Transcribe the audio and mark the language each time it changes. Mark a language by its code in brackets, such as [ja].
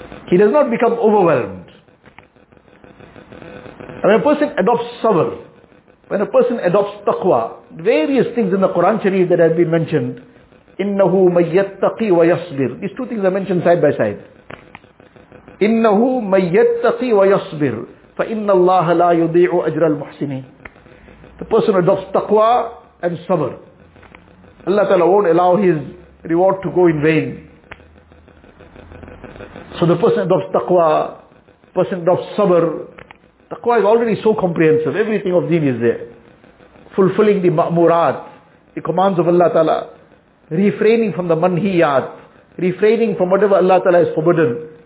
[en] He does not become overwhelmed. And when a person adopts sabr, when a person adopts taqwa, various things in the Quran Sharif that have been mentioned, [ar] إِنَّهُ مَيَّتَّقِي وَيَصْبِرُ. [en] These two things are mentioned side by side. [ar] إِنَّهُ مَيَّتَّقِي وَيَصْبِرُ فَإِنَّ اللَّهَ لَا يُضِيعُ أَجْرَ الْمُحْسِنِينَ. [en] The person adopts taqwa and sabr. Allah Ta'ala won't allow his reward to go in vain. So the person adopts taqwa, person adopts sabr. Taqwa is already so comprehensive. Everything of deen is there. Fulfilling the ma'murat, the commands of Allah Ta'ala, refraining from the manhiyat, refraining from whatever Allah Ta'ala has forbidden.